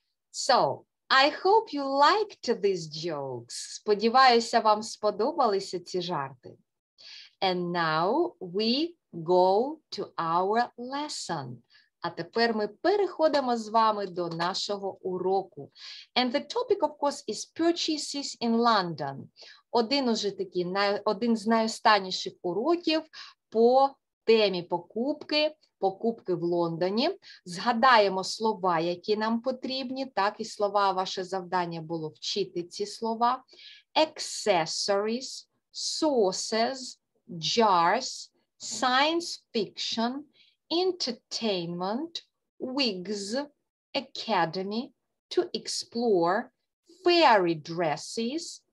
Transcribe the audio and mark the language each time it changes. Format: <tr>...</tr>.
<en>So, I hope you liked these jokes.</en> <uk>Сподіваюся, вам сподобалися ці жарти.</uk> <en>And now we go to our lesson.</en> <uk>А тепер ми переходимо з вами до нашого уроку.</uk> <en>And the topic, of course, is purchases in London.</en> <uk>Один уже такий, один з найостанніших уроків по темі покупки, покупки в Лондоні. Згадаємо слова, які нам потрібні, так, і слова, ваше завдання було вчити ці слова.</uk> <en>Accessories, sources, jars, science fiction, entertainment, wigs, academy, to explore, fairy dresses,</en>